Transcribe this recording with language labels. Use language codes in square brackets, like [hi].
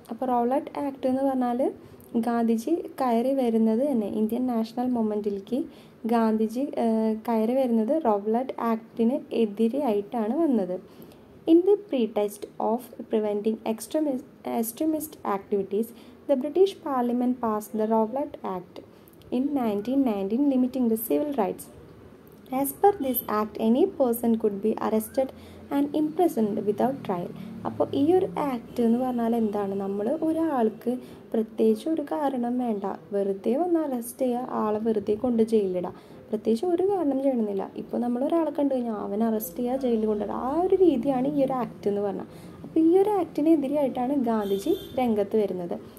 [ml] അപ്പോൾ റോവ്ലറ്റ് ആക്ട് എന്ന് പറഞ്ഞാൽ ഗാന്ധിജി കയറി വരുന്നത് തന്നെ ഇന്ത്യൻ നാഷണൽ മൂവ്മെൻറ്റിലേക്ക് ഗാന്ധിജി കയറി വരുന്നത് റോവ്ലറ്റ് ആക്ടിന് എതിരെയായിട്ടാണ് വന്നത്. [en] In the pretext of preventing extremist activities the British parliament pass the Rowlatt act in 1919 limiting the civil rights. As per this act, any person could be arrested and imprisoned without trial. [ml] അപ്പോൾ ഈ ഒരു act എന്ന് പറഞ്ഞാൽ എന്താണ്, നമ്മൾ ഒരാൾക്ക് പ്രത്യേകിച്ച് ഒരു കാരണം വേണ്ട, വെറുതെ വന്ന് അറസ്റ്റ് ചെയ്യുക, ആളെ വെറുതെ കൊണ്ട് ജയിലിടുക, പ്രത്യേകിച്ച് ഒരു കാരണം ചെയ്യണമെന്നില്ല. ഇപ്പോൾ നമ്മളൊരാളെ കണ്ടു കഴിഞ്ഞാൽ അവനെ അറസ്റ്റ് ചെയ്യുക, ജയിലിൽ കൊണ്ടുവരിക, ആ ഒരു രീതിയാണ് ഈ ഒരു ആക്ട് എന്ന് പറഞ്ഞാൽ. അപ്പോൾ ഈ ഒരു ആക്ടിനെതിരെയായിട്ടാണ് ഗാന്ധിജി രംഗത്ത് വരുന്നത്.